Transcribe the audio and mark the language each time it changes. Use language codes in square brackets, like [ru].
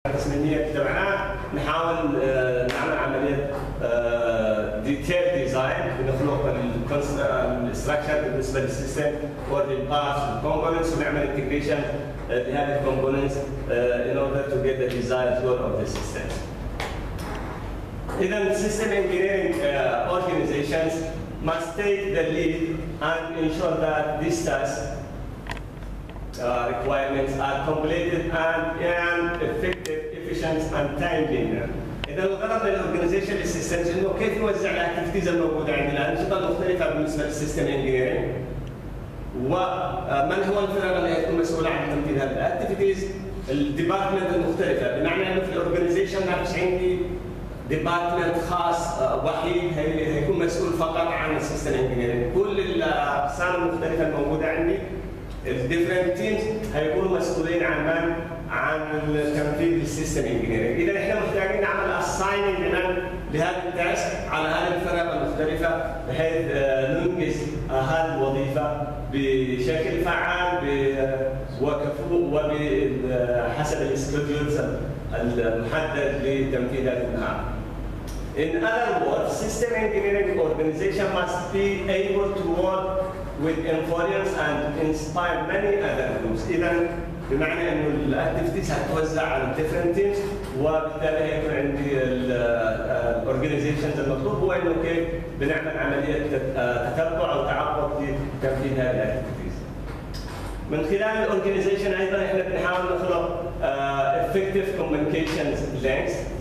[ar] الذهنيه كده معاه، نحاول نعمل عمليه ديتيل ديزاين بنخلق الاستراكشر بالنسبه للسيستم والباث والكومبوننتس، ونعمل انتجريشن لهذه الكومبوننتس [en] In order to get the desired flow of the system. اذا السيستم engineering organizations must take the lead and ensure that these task requirements are completed and effective, efficient and timely. [ar] اذا الغرض من الاورجنايزيشن السيستم انه كيف يوزع الاكتيفيتيز الموجوده عندنا، نقطه مختلفه بالنسبه للسيستم انجينيرنج، ومن هو الفرق اللي يكون مسؤول عن تنفيذ هذه الاكتيفيتيز، الديبارتمنت المختلفه، بمعنى انه في الاورجنايزيشن ما فيش عندي ديبارتمنت خاص وحيد هيكون مسؤول فقط عن السيستم انجينيرنج، كل الاقسام المختلفه الموجوده عندي الديفرنت تيمز هيكونوا مسؤولين عن من؟ عن تنفيذ السيستم انجينيرنج. اذا احنا محتاجين نعمل اساينينج لهذا التاسك على هذه الفرق المختلفه بحيث ننجز هذه الوظيفه بشكل فعال وكفو وبحسب السكيدجولز المحدد لتنفيذ هذه المهام. [en] In other words, system engineering organization must be able to work with influence and inspire many other groups. [ar] اذا بمعنى انه الاكتيفيتيز هتوزع على different teams، وبالتالي هيكون عندي ال organizations المطلوب هو انه كيف بنعمل عمليه تتبع او تعقب لتنفيذ هذه الاكتيفيتيز. من خلال ال organization ايضا احنا بنحاول نخلق effective communications links.